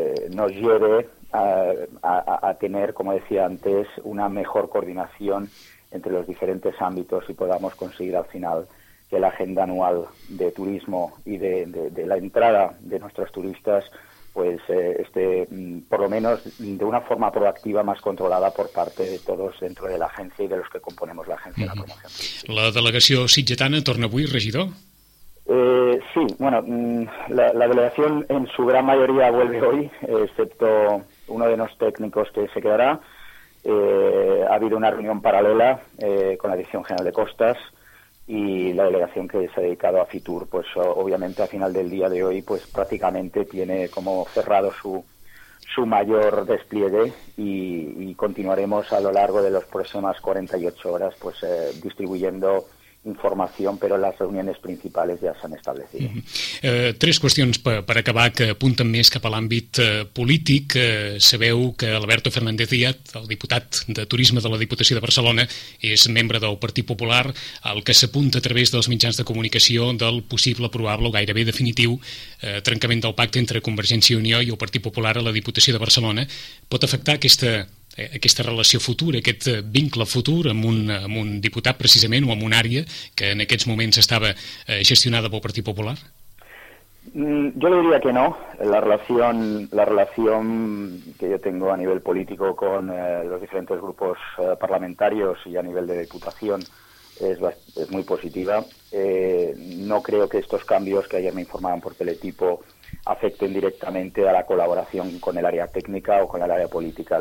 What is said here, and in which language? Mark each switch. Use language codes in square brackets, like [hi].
[es] nos lleve a tener, como decía antes, una mejor coordinación entre los diferentes ámbitos y podamos conseguir al final que la agenda anual de turismo y de la entrada de nuestros turistas pues esté por lo menos de una forma proactiva más controlada por parte de todos dentro de la agencia y de los que componemos la agencia de la promoción. [ca] ¿La delegació sitgetana torna avui, regidor? [es] Sí, bueno, la delegación en su gran mayoría vuelve hoy, excepto uno de los técnicos que se quedará. Ha habido una reunión paralela con la Dirección General de Costas, y la delegación que se ha dedicado a Fitur, pues obviamente a final del día de hoy, pues prácticamente tiene como cerrado su mayor despliegue y continuaremos a lo largo de las próximas 48 horas pues distribuyendo información, pero las reuniones principales ya se han establecido. [ca] Tres qüestions per acabar que apunten més cap a l'àmbit polític. Sabeu que Alberto Fernández Díaz, el diputat de Turisme de la Diputació de Barcelona, és membre del Partit Popular, el que s'apunta a través dels mitjans de comunicació del possible, probable o gairebé definitiu trencament del pacte entre Convergència i Unió i el Partit Popular a la Diputació de Barcelona. Pot afectar aquesta relació futura, aquest vincle futur amb un diputat precisament o amb una àrea que en aquests moments estava gestionada pel Partit Popular? [es] Yo le diría que no. La relación que yo tengo a nivel político con los diferentes grupos parlamentarios y a nivel de diputación es muy positiva. No creo que estos cambios que ayer me informaban por teletipo afecten directamente a la colaboración con el área técnica o con el área política.